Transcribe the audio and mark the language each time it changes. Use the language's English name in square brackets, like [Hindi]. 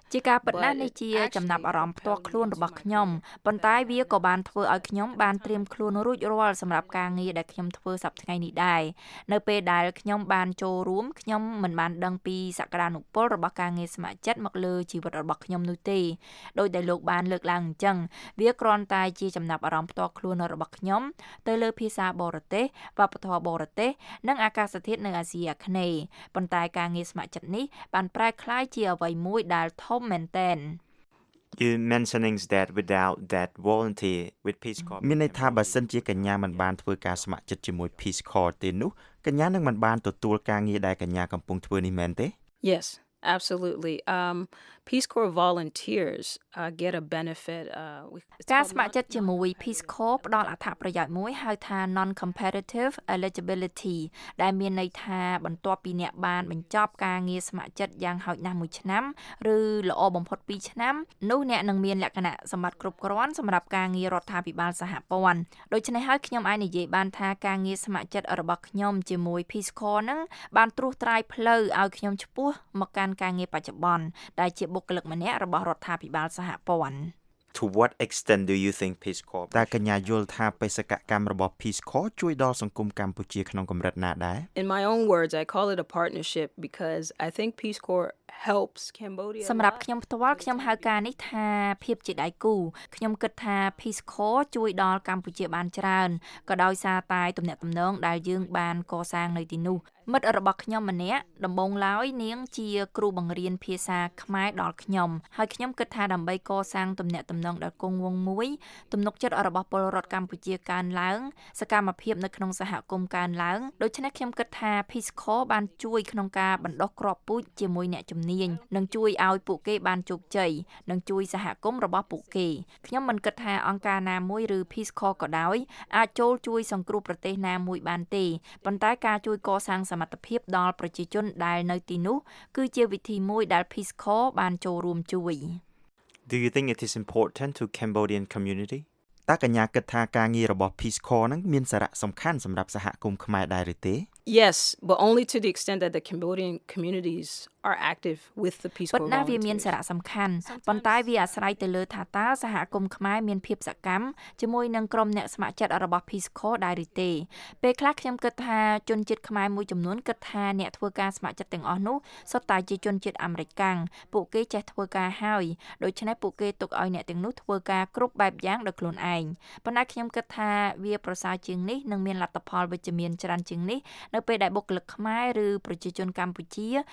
[Khmer] ជាការពិតណាស់នេះជាចំណាប់អារម្មណ៍ផ្ទាល់ខ្លួនរបស់ខ្ញុំប៉ុន្តែវាក៏បានធ្វើឲ្យខ្ញុំបានត្រៀមខ្លួនរួចរាល់សម្រាប់ការងារដែលខ្ញុំធ្វើសប្តាហ៍នេះដែរនៅពេលដែលខ្ញុំបានចូលរួមខ្ញុំមិនបានដឹងពីសក្តានុពលរបស់ការងារស្ម័គ្រចិត្តមកលើជីវិតរបស់ខ្ញុំនោះទេ ដោយដែលលោកបានលើកឡើងអញ្ចឹងវាគ្រាន់តែជាចំណាប់អារម្មណ៍ផ្ទាល់ខ្លួនរបស់ខ្ញុំទៅលើភាសាបរទេសវប្បធម៌បរទេសនិងអាកាសធាតុនៅអាស៊ីអាគ្នេយ៍ប៉ុន្តែការងារស្ម័គ្រចិត្តនេះបានប្រែក្លាយជាអ្វីមួយដែលធំមែនទែន [English] You mentioning that without that volunteer with Peace Corps [Khmer] មានន័យថាបើសិនជាកញ្ញាមិនបានធ្វើការស្ម័គ្រចិត្តជាមួយ Peace Corps ទេនោះកញ្ញានឹងមិនបានទទួលការងារដែលកញ្ញាកំពុងធ្វើនេះមែនទេ [English] Yes absolutely Peace Corps volunteers get a benefit [Khmer] ការស្ម័គ្រចិត្តជាមួយ Peace Corps ផ្ដល់អត្ថប្រយោជន៍មួយហៅថា non competitive eligibility ដែលមានន័យថាបន្ទាប់ពីអ្នកបានបញ្ចប់ការងារស្ម័គ្រចិត្តយ៉ាងហោចណាស់មួយឆ្នាំឬល្អបំផុត2ឆ្នាំនោះអ្នកនឹងមានលក្ខណៈសម្បត្តិគ្រប់គ្រាន់សម្រាប់ការងាររដ្ឋាភិបាលសហព័ន្ធដូច្នេះហើយខ្ញុំអាចនិយាយបានថាការងារស្ម័គ្រចិត្តរបស់ខ្ញុំជាមួយ Peace Corps នឹងបានត្រួសត្រាយផ្លូវឲ្យខ្ញុំឆ្ពោះមកកាន់ការងារបច្ចុប្បន្នដែលជាបុគ្គលិកម្នាក់របស់រដ្ឋាភិបាលសហព័ន្ធ [English] To what extent do you think Peace Corps [Khmer] តើកញ្ញាយល់ថាបេសកកម្មរបស់ Peace Corps ជួយដល់សង្គមកម្ពុជាក្នុងកម្រិតណាដែរ [English] In my own words I call it a partnership because I think Peace Corps helps Cambodia [Khmer] សម្រាប់ខ្ញុំផ្ទាល់ខ្ញុំហៅការនេះថាភាពជាដៃគូខ្ញុំគិតថា Peace Corps ជួយដល់កម្ពុជាបានច្រើនក៏ដោយសារតែទំនាក់ទំនងដែលយើងបានកសាងនៅទីនោះមិត្តរបស់ខ្ញុំម្នាក់ដំបងឡើយនាងជាគ្រូបង្រៀនភាសាខ្មែរដល់ខ្ញុំហើយខ្ញុំគិតថាដើម្បីកសាងទំនាក់ទំនងដល់គង់វង្សមួយ ទំនុកចិត្តរបស់ពលរដ្ឋកម្ពុជាកើនឡើងសកម្មភាពនៅក្នុងសហគមន៍កើនឡើងដូច្នេះខ្ញុំគិតថា Peace Corps បានជួយក្នុងការបណ្ដុះគ្រាប់ពូជជាមួយអ្នកជំនាញនិងជួយឲ្យពួកគេបានជោគជ័យនិងជួយសហគមន៍របស់ពួកគេខ្ញុំមិនគិតថាអង្គការណាមួយឬ Peace Corps ក៏ដោយអាចចូលជួយសង្គ្រោះប្រទេសណាមួយបានទេប៉ុន្តែការជួយកសាងសមត្ថភាពដល់ប្រជាជនដែលនៅទីនោះគឺជាវិធីមួយដែល Peace Corps បានចូលរួមជួយ [English] Do you think it is important to Cambodian community? [Khmer] ត តើកញ្ញាគិតថាការងាររបស់ Peace Corps នឹងមានសារៈសំខាន់សម្រាប់សហគមន៍ខ្មែរដែរឬទេ? [English] Yes, but only to the extent that the Cambodian communities are active with the Peace Corps. [Khmer] ប៉ុន្តែវាមានសារៈសំខាន់ប៉ុន្តែវាអាស្រ័យទៅលើថាតើសហគមន៍ខ្មែរមានភាពសកម្មជាមួយនឹងក្រុមអ្នកស្ម័គ្រចិត្តរបស់ Peace Corps ដែរឬទេ? ពេលខ្លះខ្ញុំគិតថាជនជាតិខ្មែរមួយចំនួនគិតថាអ្នកធ្វើការស្ម័គ្រចិត្តទាំងអស់នោះសុទ្ធតែជាជនជាតិអាមេរិកាំងពួកគេចេះធ្វើការហើយដូច្នេះពួកគេទុកឲ្យអ្នកទាំងនោះធ្វើការគ្រប់បែបយ៉ាងដោយខ្លួនឯងប៉ុន្តែខ្ញុំគិតថាវាប្រសើរជាងនេះនិងមានលទ្ធផលវិជ្ជមានច្រើនជាងនេះនៅពេលដែលបុគ្គលិកខ្មែរឬប្រជាជនកម្ពុជា